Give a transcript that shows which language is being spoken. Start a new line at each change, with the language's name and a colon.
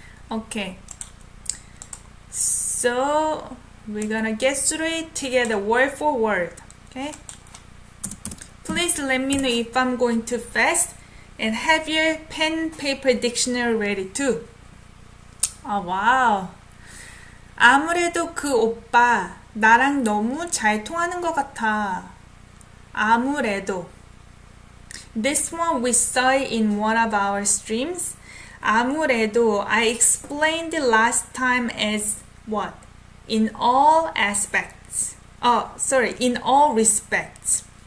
English: Okay. So, we're gonna get through it together, word for word. Okay? Please let me know if I'm going too fast. And have your pen, paper, dictionary ready too. Oh, wow.
Korean: 아무래도 그 오빠, 나랑 너무 잘 통하는 것 같아.
English: 아무래도. This one we saw in one of our streams. 아무래도 I explained last time as what? In all aspects. Oh, sorry. In all respects.